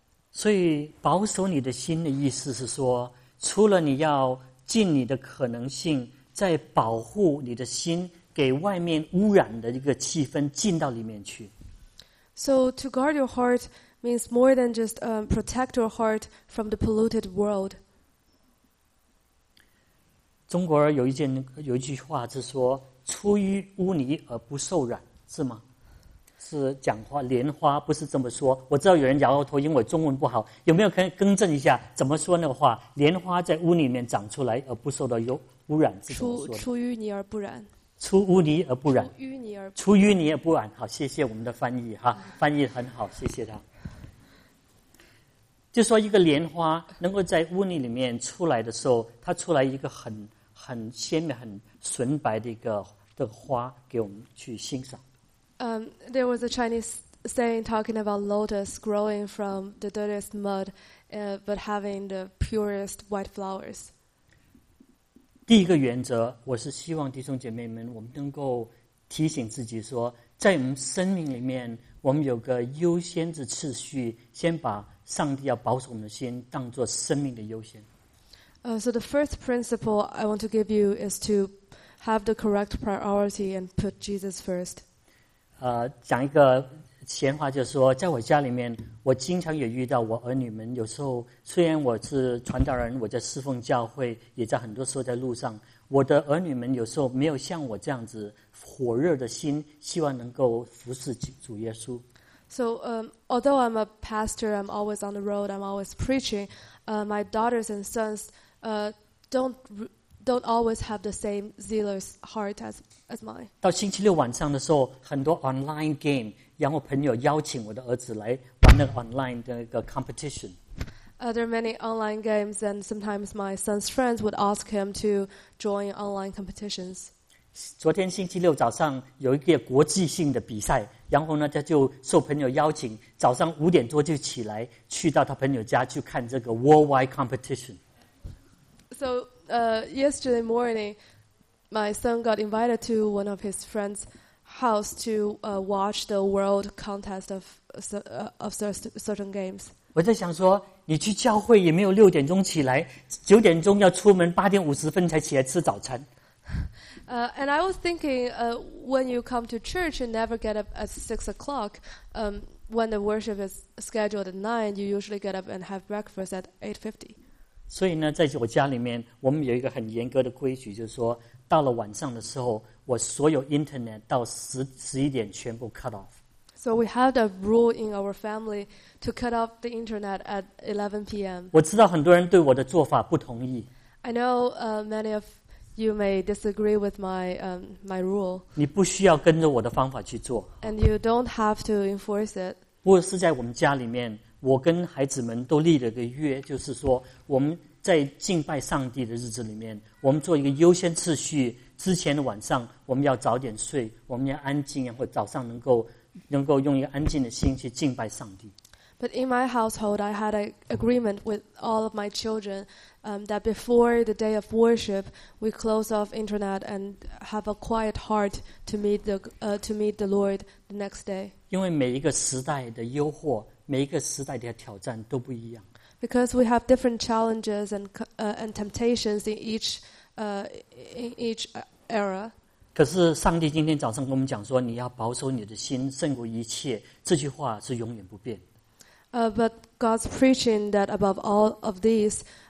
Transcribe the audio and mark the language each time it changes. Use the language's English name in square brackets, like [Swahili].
[Chinese] 所以保守你的心的意思是说，除了你要尽你的可能性在保护你的心给外面污染的一个气氛进到里面去。 [English] So to guard your heart means more than just protect your heart from the polluted world. [Chinese] 中国有一句话是说，出淤污泥而不受染，是吗？是讲话莲花不是这么说，我知道有人摇摇头，因为我中文不好，有没有可以更正一下怎么说那个话？莲花在污里面长出来而不受到污染，是怎么说的？出淤泥而不染。出污泥而不染。出淤泥而不染。好，谢谢我们的翻译哈，翻译很好，谢谢他。就说一个莲花能够在污泥里面出来的时候，它出来一个很鲜美、很纯白的一个花给我们去欣赏。 [English] There was a Chinese saying talking about lotus growing from the dirtiest mud, but having the purest white flowers. [Chinese] 第一个原则，我是希望弟兄姐妹们，我们能够提醒自己说，在我们生命里面，我们有个优先的次序，先把上帝要保守我们的心当作生命的优先。 [English] So the first principle I want to give you is to have the correct priority and put Jesus first. [Chinese] 讲一个闲话，就是说在我家里面，我经常也遇到我儿女们，有时候虽然我是传道人，我在侍奉教会，也在很多时候在路上，我的儿女们有时候没有像我这样子火热的心，希望能够服侍主耶稣。 [English] So although I'm a pastor, I'm always on the road, I'm always preaching, my daughters and sons don't always have the same zealous heart as mine. [Chinese] 到星期六晚上的时候，很多 online game， 然后朋友邀请我的儿子来玩那个 online 的一个 competition. [English] There are many online games, and sometimes my son's friends would ask him to join online competitions. [Chinese] 昨天星期六早上有一个国际性的比赛，然后呢，他就受朋友邀请，早上五点多就起来，去到他朋友家去看这个 [English] worldwide competition. So. Yesterday morning, my son got invited to one of his friend's house to watch the world contest of certain games. [Chinese] 我在想说，你去教会也没有六点钟起来，九点钟要出门，八点五十分才起来吃早餐。 [English] And I was thinking, when you come to church, you never get up at 6 o'clock. When the worship is scheduled at 9, you usually get up and have breakfast at 8:50. [Chinese] 所以呢，在我家里面，我们有一个很严格的规矩，就是说，到了晚上的时候，我所有 internet 到十一点全部 [English] cut off。 So we have a rule in our family to cut off the internet at 11 p.m. [Chinese] 我知道很多人对我的做法不同意。 [English] I know many of you may disagree with my rule。 [Chinese] 你不需要跟着我的方法去做。 [English] And you don't have to enforce it。 [Chinese] 不过是在我们家里面。我跟孩子们都立了个约，就是说我们在敬拜上帝的日子里面，我们做一个优先次序，之前的晚上我们要早点睡，我们要安静，然后早上能够用一个安静的心去敬拜上帝。 [English] But in my household, I had an agreement with all of my children, that before the day of worship, we close off internet and have a quiet heart to meet the Lord the next day. [Chinese] 因为每一个时代的诱惑，每一个时代的挑战都不一样。 [English] Because we have different challenges and temptations in each era. [Chinese] 可是上帝今天早上跟我们讲说，你要保守你的心胜过一切，这句话是永远不变。 [English] But God's preaching that above all of these,